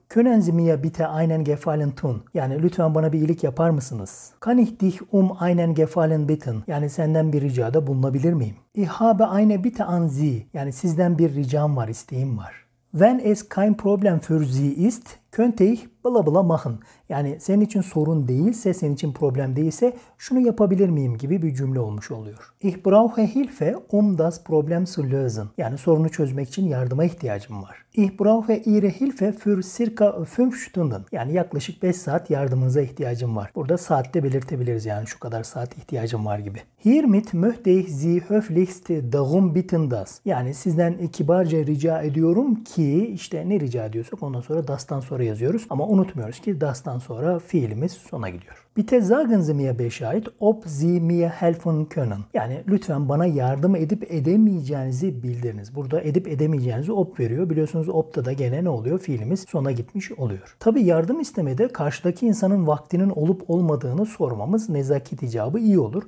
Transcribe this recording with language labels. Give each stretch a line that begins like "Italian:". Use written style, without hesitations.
German: Können Sie mir bitte einen Gefallen tun?
Turkish: Yani lütfen bana bir iyilik yapar mısınız?
German: Kann ich dich um einen Gefallen bitten?
Turkish: Yani senden bir ricada bulunabilir miyim?
German: Ich habe eine Bitte an Sie.
Turkish: Yani sizden bir ricam var, isteğim var.
German: Wenn es kein Problem für Sie ist, könnte ich bla bla machen.
Turkish: Yani senin için sorun değilse, senin için problem değilse şunu yapabilir miyim gibi bir cümle olmuş oluyor.
German: Ich brauche Hilfe, um das Problem zu lösen.
Turkish: Yani sorunu çözmek için yardıma ihtiyacım var.
German: Ich brauche Ihre Hilfe für circa 5 Stunden.
Turkish: Yani yaklaşık 5 saat yardımınıza ihtiyacım var. Burada saatte belirtebiliriz yani şu kadar saat ihtiyacım var gibi.
German: Hiermit möchte ich Sie höflichst darum bitten, das.
Turkish: Yani sizden kibarca rica ediyorum ki, işte ne rica ediyorsak ondan sonra das'tan sonra yazıyoruz. Ama unutmuyoruz ki das'tan sonra fiilimiz sona gidiyor.
German: Bitte sagen Sie mir Bescheid, ob Sie mir helfen können.
Turkish: Yani lütfen bana yardım edip edemeyeceğinizi bildiriniz. Burada edip edemeyeceğinizi ob veriyor. Biliyorsunuz ob'da da gene ne oluyor? Fiilimiz sona gitmiş oluyor. Tabii yardım istemede karşıdaki insanın vaktinin olup olmadığını sormamız nezaket icabı iyi olur.